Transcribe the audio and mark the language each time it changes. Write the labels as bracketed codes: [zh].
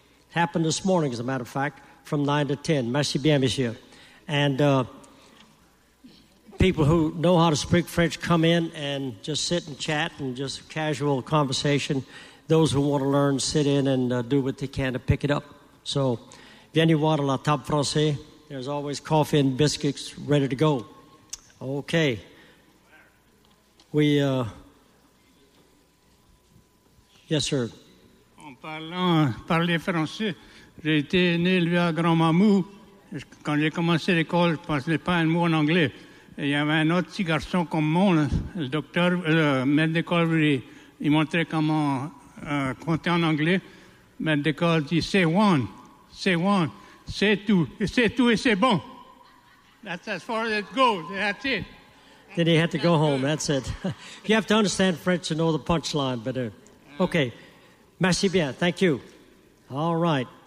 [en] Happened this morning, as a matter of fact, from 9 to 10. [fr] Merci bien, monsieur. [en] And people who know how to speak French come in and just sit and chat and just casual conversation. Those who want to learn sit in and do what they can to pick it up. [fr] So, viens voir la table française. [en] There's always coffee and biscuits ready to go. Okay. Yes, sir. [fr] Parler français. J'ai été né élevé à Grand Mamou. Quand j'ai commencé l'école, je ne parlais pas un mot en anglais. Et il y avait un autre petit garçon comme moi, le docteur, le maître d'école, il montrait comment compter en anglais. Le maître d'école dit c'est one, c'est tout et c'est bon. [en] That's as far as it goes. That's it. Then he had to go home. That's it. You have to understand French to know the punchline, but okay. [fr] Merci bien. [en] Thank you. All right.